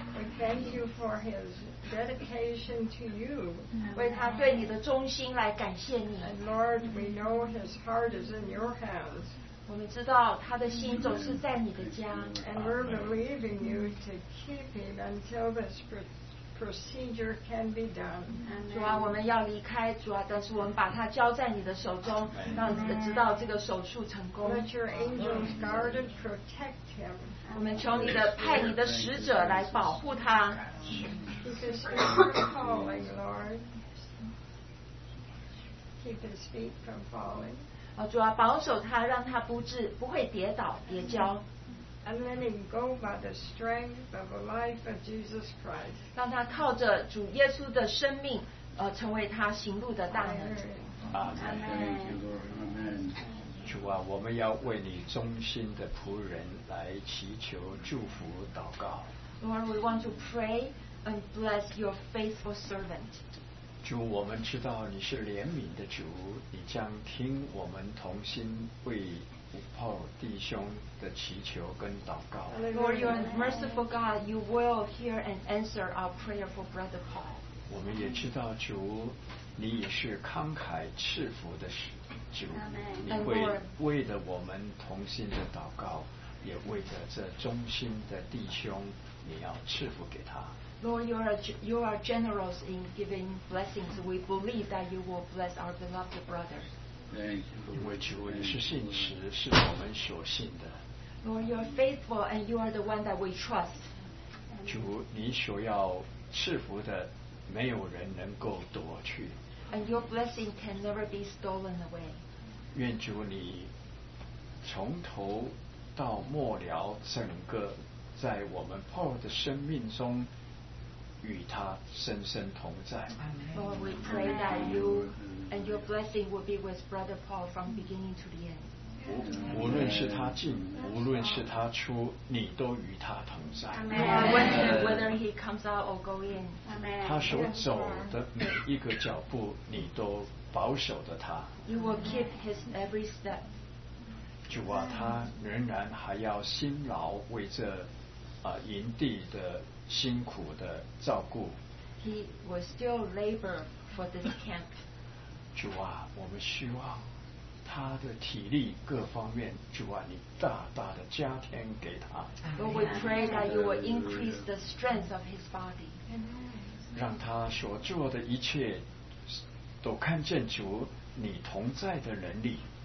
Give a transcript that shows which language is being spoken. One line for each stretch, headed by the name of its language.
English: We thank you for his dedication to you.
Chinese: 为他对你的忠心来感谢你。
English: And Lord, we know his heart is in your hands.
Chinese: 我们知道他的心总是在你的家。
English: And we're believing you to keep him until this procedure can be done.
Chinese: 主啊，我们要离开，主啊，但是我们把他交在你的手中，让直到这个手术成功。
English: Let your angels guard and protect him.
Chinese: 我们求你的派你的使者来保护他。
English: Keep his feet from falling, Lord. Keep his feet from falling.
Chinese: 主啊，保守他，让他不会跌倒跌跤。
English: And let him go by the strength of the life of Jesus Christ.
Chinese: 让他靠着主耶稣的生命，成为他行路的大能。
English: Amen. Amen.
Chinese: 主啊，我们要为你忠心的仆人来祈求祝福祷告。
English: Lord, we want to pray and bless your faithful servant.
Chinese: 主，我们知道你是怜悯的主，你将听我们同心为Paul 弟兄的祈求跟祷告。
English: Lord, you are merciful God. You will hear and answer our prayer for Brother Paul.
Chinese: 我们也知道主，你也是慷慨赐福的主，你会为了我们同心的祷告，也为着这忠心的弟兄，你要赐福给他。
English: Lord, you are generous in giving blessings. We believe that you will bless our beloved brother. Thank you. Lord, you are faithful and you are the one that we trust.
Chinese: 主，你所要赐福的，没有人能够夺去。
English: And your blessing can never be stolen away.
Chinese: 愿主你从头到末了，整个在我们 Paul 的生命中与他深深同在。
English: Lord, we pray that you and your blessing will be with Brother Paul from beginning to the end.
Chinese: 无论是他进，无论是他出，你都与他同在。
English: Amen. Whether he comes out or go in. Amen.
Chinese: 他所走的每一个脚步，你都保守着他。
English: You will keep his every step.
Chinese: 主啊，他仍然还要辛劳为这营地的辛苦的照顾。
English: He will still labor for this camp.
Chinese: 主啊，我们希望他的体力各方面，主啊，你大大的加添给他。
English: Lord, we pray that you will increase the strength of his body.
Chinese: 让他所做的一切都看见主你同在的能力。